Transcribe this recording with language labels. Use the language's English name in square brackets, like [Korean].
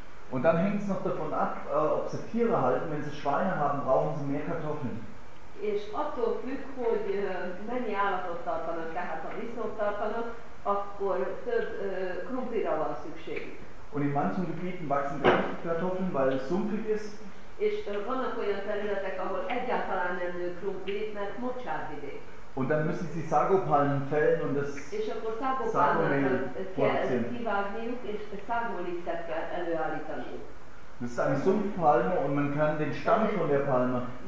[German] Und dann hängt es noch davon ab, ob sie Tiere halten. Wenn sie Schweine haben, brauchen sie mehr Kartoffeln. [Hungarian] És attól függ, hogy mennyi állatot tartanak, tehát ha viszont tartanak, akkor több krumplira van szükségük. [German] Und in manchen Gebieten wachsen gar nicht Kartoffeln, weil es sumpfig ist. [Hungarian] És vannak olyan területek, ahol egyáltalán nem nő krumpli, mert mocsárvidék. [German] Und dann müssen sie Sagopalmen fällen und das [Hungarian] Sagomehl kell kivágniuk, és szágolisztet kell előállítaniuk. [German] Das ist eine Sumpfpalme und man kann den Stamm von der Palme.